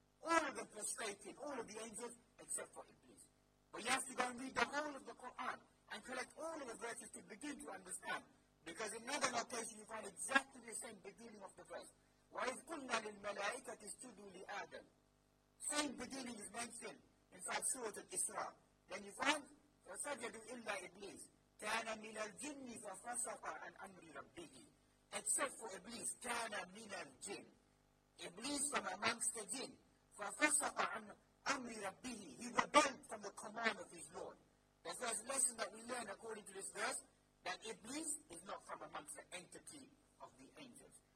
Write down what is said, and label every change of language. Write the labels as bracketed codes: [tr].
[en] All of them prostrated, all of the angels, except for Iblis. But you have to go and read the whole of the Quran and collect all of the verses to begin to understand. Because in another location you find exactly the same beginning of the verse. [ar] وَإِذْ قُلْنَا لِلْمَلَائِكَةِ اسْجُدُوا لِآدَمَ. [en] Same beginning is mentioned inside Surah Al-Isra. Then you find [ar] فَسَجَدُوا إِلَّا إِبْلِيسَ كَانَ مِنَ الْجِنِّ فَفَسَقَ عَنْ أَمْرِ رَبِّهِ. [en] Except for Iblis, [ar] كَانَ مِنَ الْجِنِّ. [en] Iblis from amongst the jinn. [ar] فَفَسَقَ عَنْ أَمْرِ رَبِّهِ. [en] He rebelled from the command of his Lord. The first lesson that we learn according to this verse, that Iblis is not from amongst the entity of the angels.